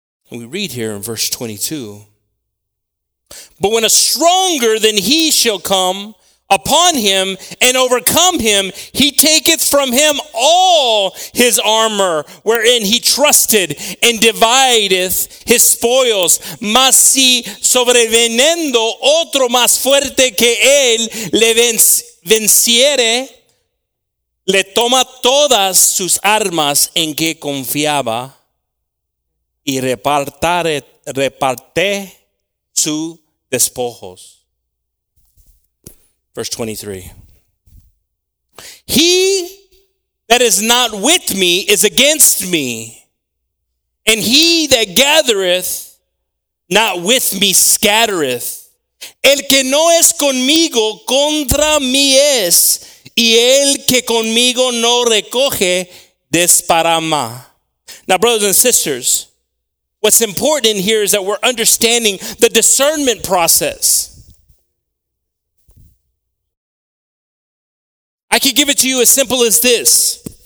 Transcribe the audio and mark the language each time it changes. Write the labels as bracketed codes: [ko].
[en] And we read here in verse 22, but when a stronger than he shall come upon him and overcome him, he taketh from him all his armor wherein he trusted and divideth his spoils. [es] Mas si sobreveniendo otro más fuerte que él le venciere, le toma todas sus armas en que confiaba y reparte su despojos. [en] Verse 23. He that is not with me is against me, and he that gathereth not with me scattereth. [es] El que no es conmigo contra mí es, y el que conmigo no recoge desparrama. [en] Now, brothers and sisters, what's important here is that we're understanding the discernment process. I could give it to you as simple as this.